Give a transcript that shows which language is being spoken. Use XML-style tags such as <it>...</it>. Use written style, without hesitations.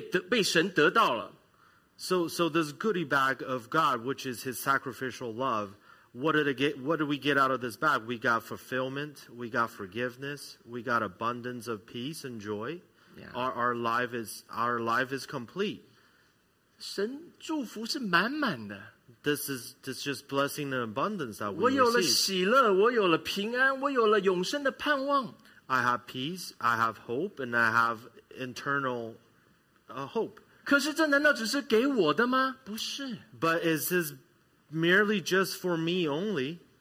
<zh>当你我的生命因为神的爱，他牺牲的爱，他的恩典的爱，使我的罪得了赦免，使我的生命丰富充满，被神得到了。</zh> <en>So this goodie bag of God, which is His sacrificial love, what did we get out of this bag? We got fulfillment, we got forgiveness, we got abundance of peace and joy. Yeah. Our life is complete.</en> <zh>神祝福是满满的.</zh> <en>This is just blessing and abundance that we</en> <zh>我有了喜乐,</zh> <en>receive.</en> <zh>我有了平安, 我有了永生的盼望.</zh> <en>I have peace, I have hope, and I have internal hope.</en> <zh>可是这难道只是给我的吗? 不是.</zh> <en>But is this merely just for me only?</en>